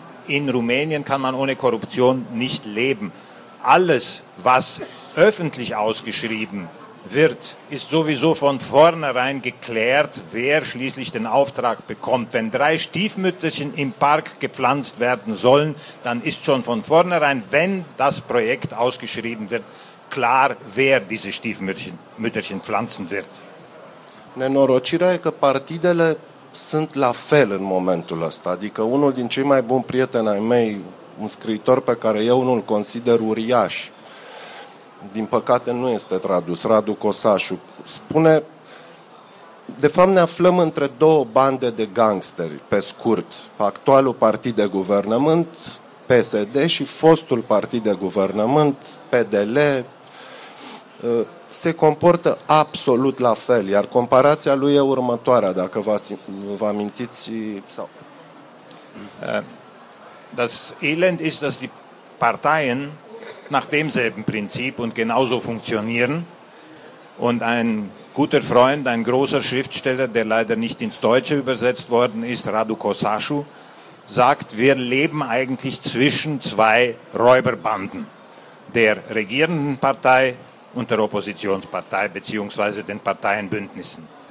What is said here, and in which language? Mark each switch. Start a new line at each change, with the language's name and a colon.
German: In Rumänien kann man ohne Korruption nicht leben. Alles, was öffentlich ausgeschrieben wird, ist sowieso von vornherein geklärt, wer schließlich den Auftrag bekommt. Wenn drei Stiefmütterchen im Park gepflanzt werden sollen, dann ist schon von vornherein, wenn das Projekt ausgeschrieben wird, klar, wer diese Stiefmütterchen pflanzen wird.
Romanian: Nenorocirea e că partidele sunt la fel în momentul ăsta. Adică unul din cei mai buni prieteni ai mei, un scriitor pe care eu nu-l consider uriaș, din păcate nu este tradus, Radu Cosașu, spune, de fapt ne aflăm între două bande de gangsteri, pe scurt, actualul partid de guvernământ, PSD, și fostul partid de guvernământ, PDL, se comportă absolut la fel, iar comparația lui e următoarea, dacă vă amintiți. Sau...
German: Das Elend ist, dass die Parteien nach demselben Prinzip und genauso funktionieren. Und ein guter Freund, ein großer Schriftsteller, der leider nicht ins Deutsche übersetzt worden ist, Radu Cosașu, sagt, wir leben eigentlich zwischen zwei Räuberbanden, der regierenden Partei und der Oppositionspartei, beziehungsweise den Parteienbündnissen.